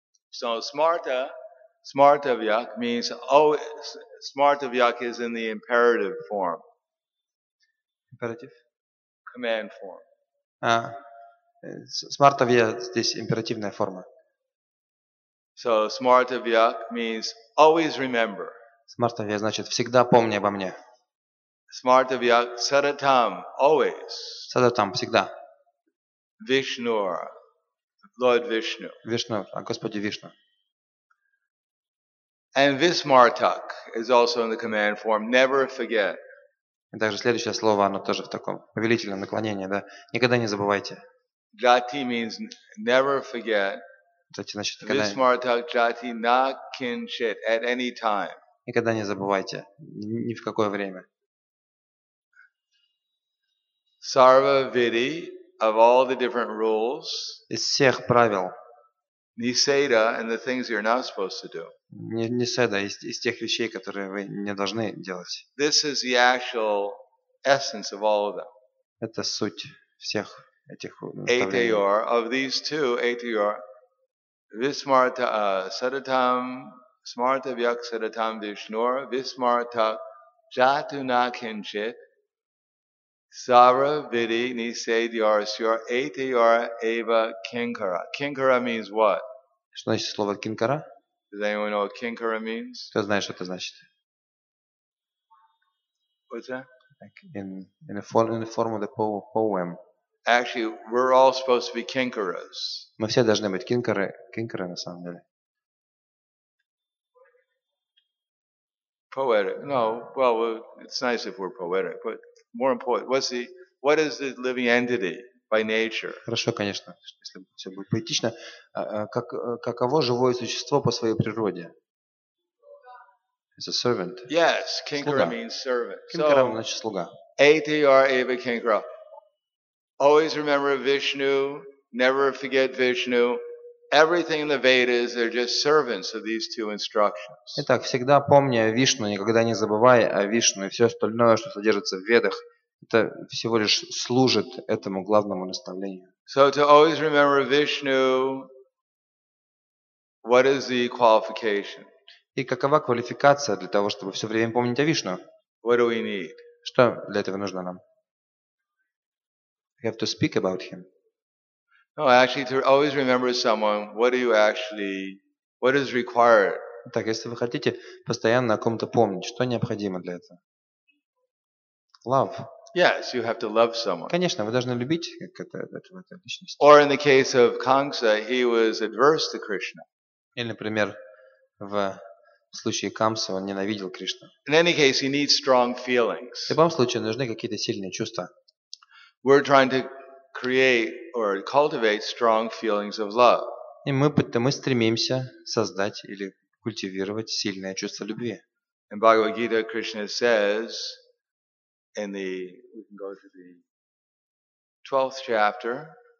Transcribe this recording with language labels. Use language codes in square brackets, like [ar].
[en] So smartavyak means always. Smartavyak is in the imperative form. Imperative? Command form. [ru] Smartavya здесь императивная форма. [en] So smartavyak means always remember. [ru] Smartavya значит всегда помни обо мне. [sa] Smartavyak saratam, always. [ru] Saratam, всегда. [en] Vishnur, Lord Vishnu. [ru] Vishnu, а Господи Вишну. [en] And this martak is also in the command form, never forget. [ru] И также следующее слово, оно тоже в таком повелительном наклонении, да? Никогда не забывайте. [en] Jati means never forget. [ru] Jati, значит, [en] this martak jati na kinchit at any time. [ru] Никогда не забывайте, ни в какое время. [en] Sarva vidhi, of all the different rules. [ru] Из всех правил. [en] Niseda and the things you're not supposed to do. [ru] Niseda, из тех вещей, которые вы не должны делать. [en] This is the actual essence of all of them. [ru] Это суть всех этих [sa] Etayor, of these two, Etayor, Vismarta Sadatam, Smarta Vyak Sadatam Vishnur, Vismarta Jatuna Kinchit, Sara Vidi Nisedyar Syur Etayor Eva Kinkara. [en] Kinkara means what? [ru] Что значит слово кинкара? [en] Does anyone know what kinkara means? [ru] Кто знает, что это значит? [en] What's that? Like in the form of the poem. Actually, we're all supposed to be kinkaras. [ru] Мы все должны быть кинкары на самом деле. [en] Poetic. No, well, it's nice if we're poetic, but more important, what is the living entity? By nature. [ru] Хорошо, конечно, если все будет поэтично. Каково живое существо по своей природе? [en] It's a servant. Yes, kinkara means servant. [ru] Кинкара значит слуга. [sa] Etayor eva kinkara. [en] Always remember Vishnu. Never forget Vishnu. Everything in the Vedas, they're just servants of these two instructions. [ru] Итак, всегда помни о Вишну, никогда не забывай о Вишну и все остальное, что содержится в Ведах. Это всего лишь служит этому главному наставлению. [en] So to always remember Vishnu, what is the qualification? [ru] И какова квалификация для того, чтобы все время помнить о Вишну? [en] What do we need? [ru] Что для этого нужно нам? [en] We have to speak about him. No, actually, to always remember someone, what is required? [ru] Так, если вы хотите постоянно о ком-то помнить, что необходимо для этого? [en] Love. Yes, you have to love someone. [ru] Конечно, вы должны любить эту личность. [en] Or in the case of Kamsa, he was adverse to Krishna. [ru] Или, например, в случае Камса он ненавидел Кришну. [en] In any case, he needs strong feelings. [ru] В любом случае нужны какие-то сильные чувства. [en] We're trying to create or cultivate strong feelings of love. [ru] И мы стремимся создать или культивировать сильное чувство любви. [en] In Bhagavad Gita, Krishna says. In the we can go to the 12th chapter.